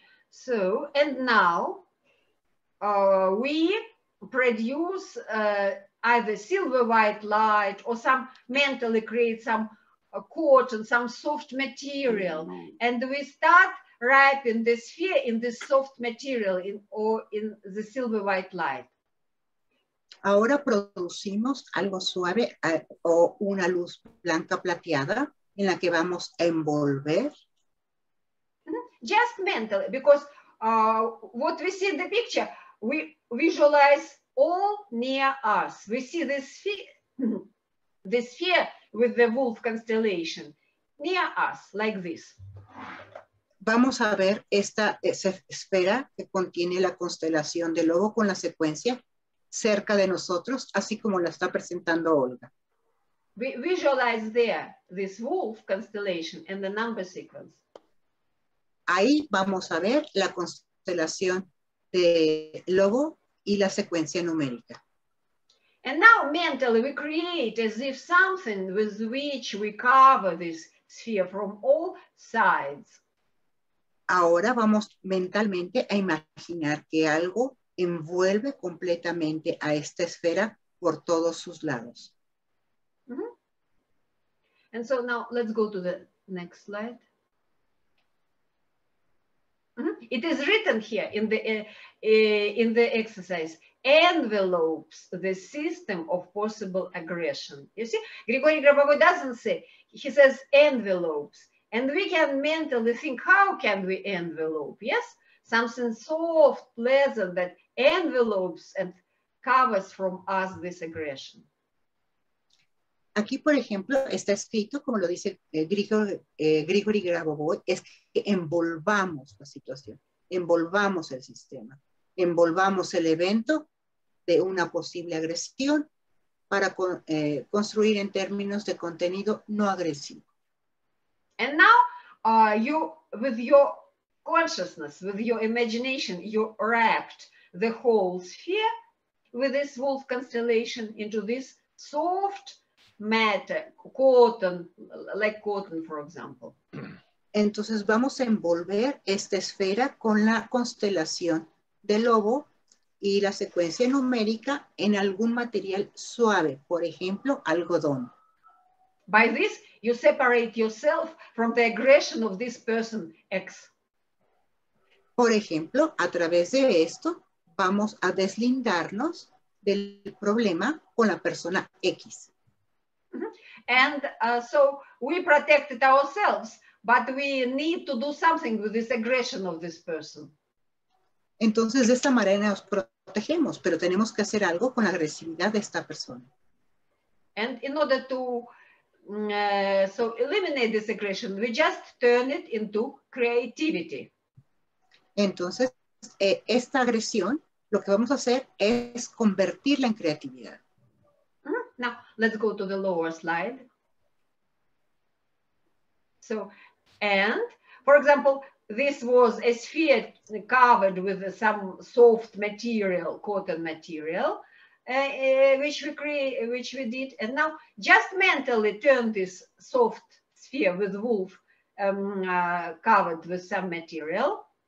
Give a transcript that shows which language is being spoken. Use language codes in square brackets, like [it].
[en] So, and now we produce either silver white light or some mentally create some cotton, some soft material, and we start wrapping the sphere in this soft material in, or in the silver white light. [es] Ahora producimos algo suave o una luz blanca plateada en la que vamos a envolver. [en] Just mentally, because what we see in the picture, we visualize all near us. We see the sphere with the wolf constellation near us, like this. [es] Vamos a ver esta esfera que contiene la constelación de lobo con la secuencia cerca de nosotros, así como la está presentando Olga. [en] We visualize there this wolf constellation and the number sequence. [es] Ahí vamos a ver la constelación de lobo y la secuencia numérica. [en] And now mentally we create as if something with which we cover this sphere from all sides. [es] Ahora vamos mentalmente a imaginar que algo envuelve completamente a esta esfera por todos sus lados. Mm-hmm. [en] And so now let's go to the next slide. Mm-hmm. It is written here in the exercise, envelopes the system of possible aggression. You see, Grigori Grabovoi doesn't say, he says envelopes. And we can mentally think, how can we envelope? Yes, something soft, pleasant that envelopes and covers from us this aggression. [es] Aquí, por ejemplo, está escrito, como lo dice Grigori Grabovoi, es que envolvamos la situación, envolvamos el sistema, envolvamos el evento de una posible agresión para construir en términos de contenido no agresivo. [en] And now you, with your consciousness, with your imagination, you wrapped the whole sphere with this wolf constellation into this soft matter, cotton, like cotton, for example. [es] Entonces vamos a envolver esta esfera con la constelación de lobo y la secuencia numérica en algún material suave, por ejemplo, algodón. [en] By this, you separate yourself from the aggression of this person X. [es] Por ejemplo, a través de esto, vamos a deslindarnos del problema con la persona X. Mm-hmm. [en] And so we protected ourselves, but we need to do something with this aggression of this person. [es] Entonces, de esta manera nos protegemos, pero tenemos que hacer algo con la agresividad de esta persona. [en] And in order to so eliminate this aggression, we just turn it into creativity. [es] Entonces, esta agresión, lo que vamos a hacer es convertirla en creatividad. [en] Mm-hmm. Now, let's go to the lower slide. So, and, for example, this was a sphere covered with some soft material, cotton material. Which we did, and now just mentally turn this soft sphere with wolf covered with some material.